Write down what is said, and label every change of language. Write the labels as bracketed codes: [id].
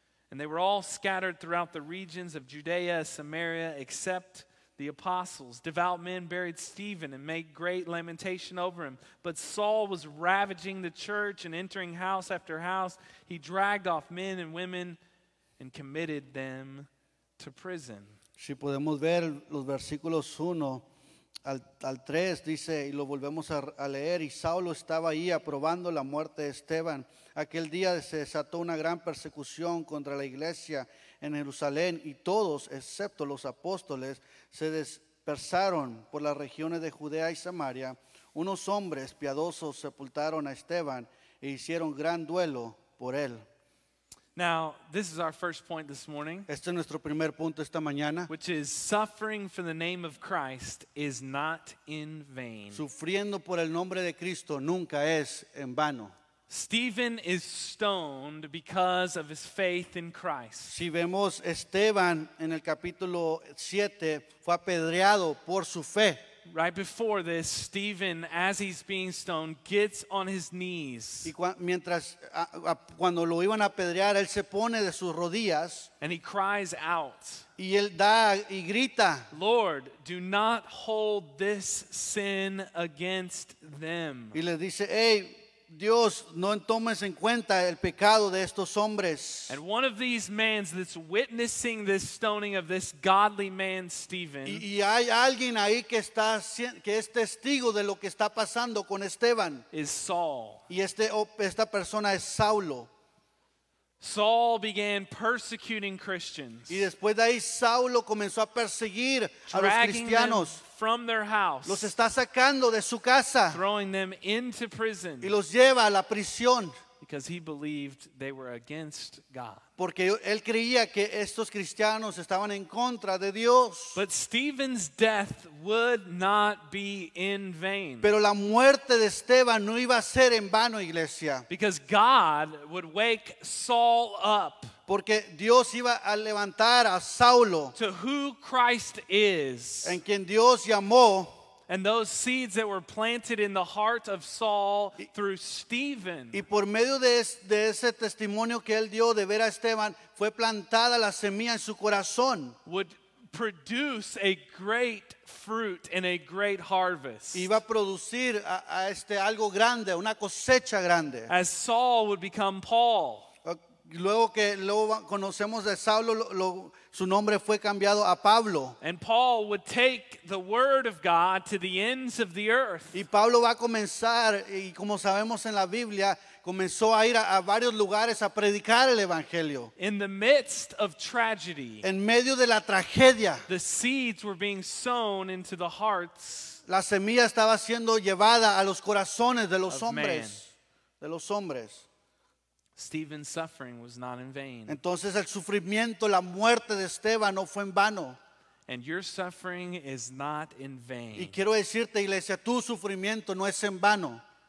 [en] And they were all scattered throughout the regions of Judea, Samaria, except the apostles. Devout men buried Stephen and made great lamentation over him. But Saul was ravaging the church and entering house after house. He dragged off men and women and committed them to prison. [es] Si podemos ver los versículos 1 al 3, dice, y lo volvemos a leer, y Saulo estaba ahí aprobando la muerte de Esteban. Aquel día se desató una gran persecución contra la iglesia en Jerusalén y todos, excepto los apóstoles, se dispersaron por las regiones de Judea y Samaria. Unos hombres piadosos sepultaron a Esteban e hicieron gran duelo por él. [en] Now, this is our first point this morning. [es] Este es nuestro primer punto esta mañana. [en] Which is, suffering for the name of Christ is not in vain. [es] Sufriendo por el nombre de Cristo nunca es en vano. [en] Stephen is stoned because of his faith in Christ. [es] Si vemos Esteban en el capítulo 7, fue apedreado por su fe. [en] Right before this, Stephen, as he's being stoned, gets on his knees. [es] Y cuando lo iban a apedrear, él se pone de sus rodillas. [en] And he cries out. [es] Y él da y grita. [en] Lord, do not hold this sin against them. [es] Y le dice, hey, Dios, no tomes en cuenta el pecado de estos hombres. [en] And one of these men that's witnessing this stoning of this godly man, Stephen. [es] Y hay alguien ahí que es testigo de lo que está pasando con Esteban. [en] Is Saul. [es] Y esta persona es Saulo. [en] Saul began persecuting Christians. [es] Y después de ahí Saulo comenzó a perseguir a los cristianos. [en] From their house. [es] Los está sacando de su casa. [en] Throwing them into prison. [es] Y los lleva a la prisión. [en] Because he believed they were against God. [es] Porque él creía que estos cristianos estaban en contra de Dios. [en] But Stephen's death would not be in vain. [es] Pero la muerte de Esteban no iba a ser en vano, iglesia. [en] Because God would wake Saul up. [es] Porque Dios iba a levantar a Saulo. [en] To who Christ is. [es] En quien Dios llamó. [en] And those seeds that were planted in the heart of Saul through Stephen. [es] Y por medio de ese testimonio que él dio de ver a Esteban, fue plantada la semilla en su corazón. [en] Would produce a great fruit and a great harvest. [es] Iba a producir algo grande, una cosecha grande. [en] As Saul would become Paul. [es] Luego que conocemos de Saulo, su nombre fue cambiado a Pablo. [en] And Paul would take the word of God to the ends of the earth. [es] Y Pablo va a comenzar, y como sabemos en la Biblia, comenzó a ir a varios lugares a predicar el evangelio. [en] In the midst of tragedy. [es] En medio de la tragedia. [en] The seeds were being sown into the hearts. [es] La semilla estaba siendo llevada a los corazones de los hombres. [en] Man. [es] De los hombres. [en] Stephen's suffering was not in vain. [es] Entonces el sufrimiento, la muerte de Esteban no fue en vano. [en] And your suffering is not in vain. [es] Y quiero decirte, iglesia, tu sufrimiento no es en vano.